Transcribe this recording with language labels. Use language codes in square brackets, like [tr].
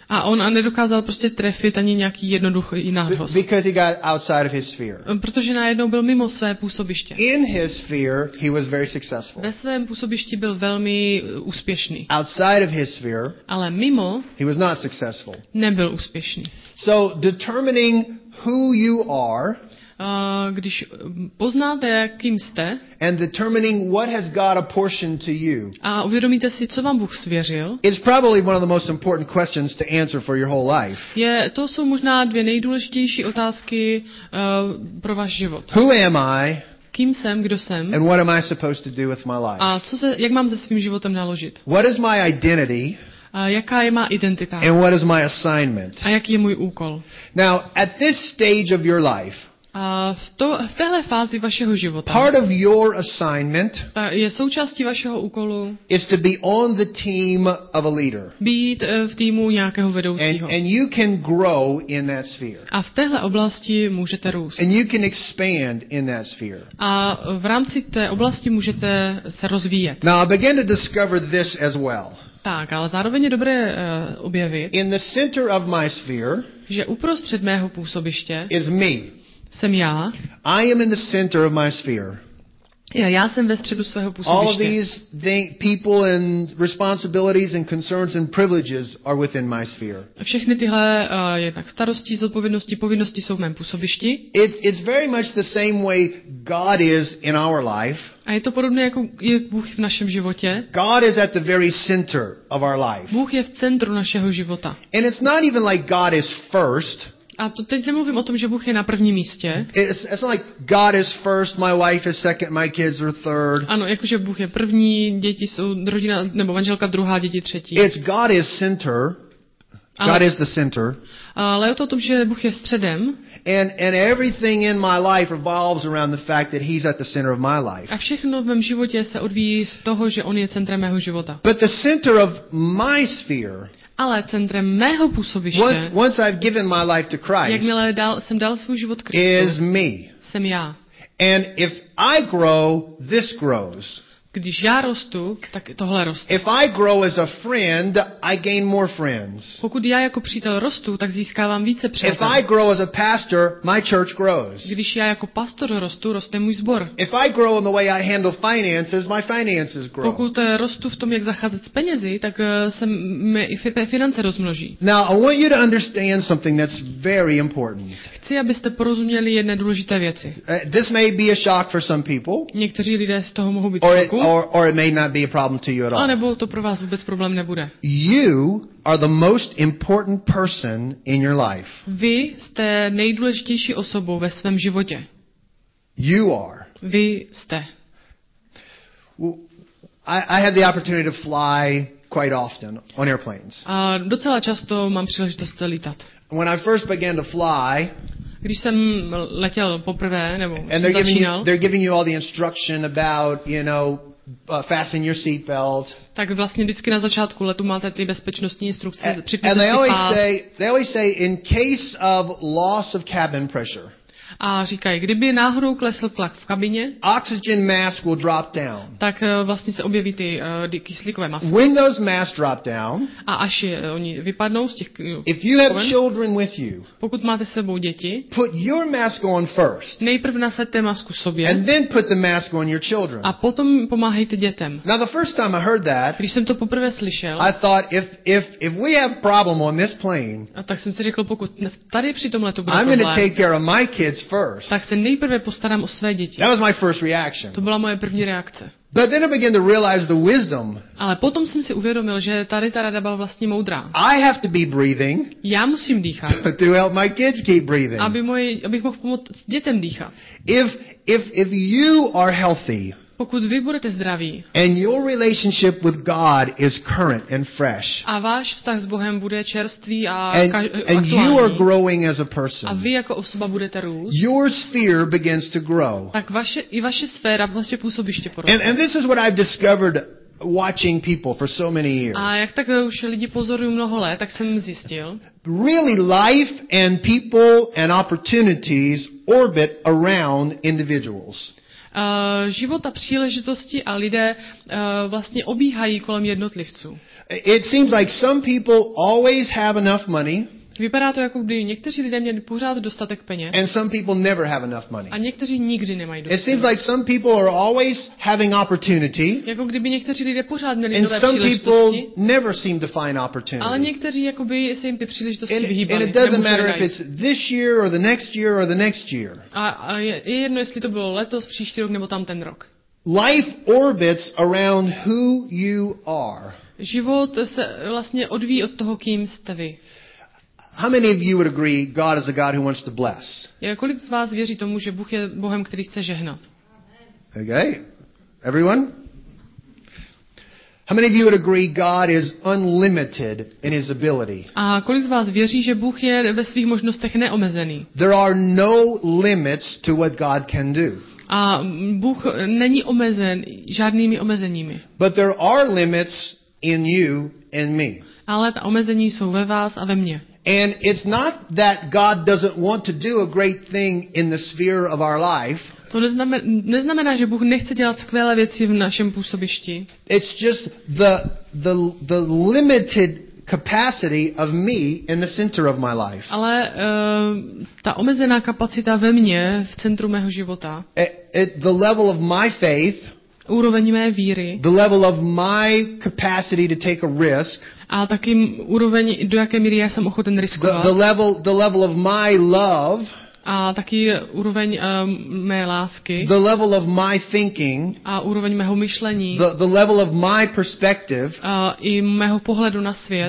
[cs] A on nedokázal prostě trefit ani nějaký jednoduchý nához. [en] Because he got outside of his sphere. [cs] Protože najednou byl mimo své působiště. [en] In his sphere, he was very successful. [cs] Ve svém působišti byl velmi úspěšný. [en] Outside of his sphere, [cs] ale mimo, [en] he was not successful. [cs] Nebyl úspěšný. [en] So determining who you are, [cs] když poznáte, kým jste, [en] and determining what has God apportioned to you, [cs] a uvědomíte si, co vám Bůh svěřil, [en] is probably one of the most important questions to answer for your whole life. [cs] Je, to jsou možná dvě nejdůležitější otázky pro váš život. [en] Who am I? [cs] Kým jsem, kdo jsem? [en] And what am I supposed to do with my life? [cs] A co se, jak mám se svým životem naložit? [en] What is my identity? [cs] A jaká je má identita? [en] And what is my assignment? [cs] A jaký je můj úkol? [en] Now, at this stage of your life, [cs] V téhle fázi vašeho života. [en] Part of your assignment [cs] je součástí vašeho úkolu. [en] Is to be on the team of a leader. [cs] Být v týmu nějakého vedoucího. [en] And you can grow in that sphere. [cs] A v téhle oblasti můžete růst. [en] And you can expand in that sphere. [cs] A v rámci té oblasti můžete se rozvíjet. [en] Now I began to discover this as well. [cs] Tak, ale zároveň je dobré objevit. [en] In the center of my sphere, [cs] že uprostřed mého působiště [en] is me. [cs] Jsem já. [en] I am in the center of my sphere. [cs] Já jsem ve středu svého působiště. [en] All of these people and responsibilities and concerns and privileges are within my sphere. [cs] Všechny tyhle jednak starosti, zodpovědnosti, povinnosti jsou v mém působišti. [en] It's very much the same way God is in our life. [cs] A je to podobné, jako je Bůh v našem životě. [en] God is at the very center of our life. [cs] Bůh je v centru našeho života. [en] And it's not even like God is first. [cs] A to teď nemluvím o tom, že Bůh je na prvním místě. [en] It's not like God is first, my wife is second, my kids are third. [cs] Ano, jakože Bůh je první, děti jsou rodina nebo manželka druhá, děti třetí. [en] It's God is center. God is the center. [cs] Ale je to o tom, že Bůh je středem. [en] And everything in my life revolves around the fact that he's at the center of my life. [cs] A všechno v mém životě se odvíjí z toho, že on je centrem mého života. [en] But the center of my sphere. [cs] Ale centrem mého působiště. [en] Once I've given my life to Christ. [cs] Jakmile jsem dal svůj život Kristu. [en] Is me. [cs] Jsem já. [en] And if I grow, this grows. [cs] Když já rostu, tak tohle roste. [en] If I grow as a friend, I gain more friends. [cs] Pokud já jako přítel rostu, tak získávám více přátel. [en] If I grow as a pastor, my church grows. [cs] Když já jako pastor rostu, roste můj sbor. [en] If I grow in the way I handle finances, my finances grow. [cs] Pokud rostu v tom, jak zacházet s penězi, tak se mi i finance rozmnoží. [en] Now I want you to understand something that's very important. [cs] Chci, abyste porozuměli jedné důležité věci. [en] This may be a shock for some people. [cs] Někteří lidé z toho mohou být [en] Or it may not be a problem to you at all. [cs] A nebo to pro vás vůbec problém nebude. [en] You are the most important person in your life. [cs] Vy jste nejdůležitější osobou ve svém životě. [en] You are. [cs] Vy jste. [en] I have the opportunity to fly quite often on airplanes. [cs] A docela často mám příležitost lítat. [en] When I first began to fly, [cs] když jsem letěl poprvé, nebo jsem začínal. [en] They're giving you all the instruction about, you know, fasten your seatbelt. [cs] Tak vlastně vždycky na začátku letu máte ty bezpečnostní instrukce. [en] And they always say in case of loss of cabin pressure. [cs] A říkají, kdyby náhodou klesl tlak v kabině, [en] oxygen mask will drop down. [cs] Tak vlastně se objeví ty kyslíkové masky. [en] When those masks drop down, [cs] a až oni vypadnou z těch [en] if you have children with you, [cs] pokud máte s sebou děti, [en] put your mask on first. [cs] Nejprve nasaďte masku sobě, [en] and then put the mask on your children. [cs] A potom pomáhejte dětem. [en] Now the first time I heard that, [cs] když jsem to poprvé slyšel, [en] I thought if we have problem on this plane, [cs] a tak jsem si řekl, pokud tady při tom letu bude problém, [en] I'm going to take care of my kids. [cs] Tak se nejprve postarám o své děti. [en] That was my first reaction. [cs] To byla moje první reakce. [en] But then I began to realize the wisdom. [cs] Ale potom jsem si uvědomil, že tady ta rada byla vlastně moudrá. [en] I have to be breathing. [cs] Já musím dýchat. [en] To help my kids keep breathing. [cs] Abych mohl pomoct dětem dýchat. [en] If you are healthy. [cs] Pokud vy budete zdraví. [en] And your relationship with God is current and fresh. [cs] A váš vztah s Bohem bude čerstvý a aktuální. [en] And you are growing as a person. [cs] A vy jako osoba budete růst. [en] Your sphere begins to grow. [cs] Tak vaše sféra, vaše působiště poroste. [en] And this is what I've discovered watching people for so many years. [cs] A jak tak už lidi pozoruju mnoho let, tak jsem zjistil. [en] Really life and people and opportunities orbit around individuals. [cs] Život a příležitosti a lidé vlastně obíhají kolem jednotlivců. [en] It seems like some people always have enough money. [cs] Vypadá to, jako kdyby někteří lidé měli pořád dostatek peněz. [en] And some people never have enough money. [cs] A někteří nikdy nemají dostatek. [en] It seems like some people are always having opportunity. [cs] Jako kdyby někteří lidé pořád měli nové příležitosti. [en] And some people never seem to find opportunity. [cs] Ale někteří jakoby se jim ty příležitosti vyhýbaly. [en] And it doesn't matter if it's this year or the next year or the next year. [cs] A jedno, jestli to bylo letos, příští rok nebo tamten rok. [en] Life orbits around who you are. [cs] Život se vlastně odvíjí od toho, kým jste vy. [en] How many of you would agree God is a God who wants to bless? [cs] Kolik z vás věří tomu, že Bůh je Bohem, který chce žehnat? [en] Okay. Everyone? How many of you would agree God is unlimited in his ability? [cs] A kolik z vás věří, že Bůh je ve svých možnostech neomezený? [en] There are no limits to what God can do. [cs] A Bůh není omezen žádnými omezeními. [en] But there are limits in you and me. [cs] Ale ta omezení jsou ve vás a ve mně. [en] And it's not that God doesn't want to do a great thing in the sphere of our life. [cs] To neznamená, že Bůh nechce dělat skvělé věci v našem působišti. [en] It's just the limited capacity of me in the center of my life. [cs] Ale ta omezená kapacita ve mně v centru mého života. [en] The level of my faith. [cs] Úroveň mé víry. [en] The level of my capacity to take a risk. [cs] A taky úroveň, do jaké míry já jsem ochoten riskovat. [en] The level of my love. [cs] A taky úroveň mé lásky. [en] The level of my thinking. [cs] A úroveň mého myšlení. [en] The level of my perspective. [cs] A i mého pohledu na svět.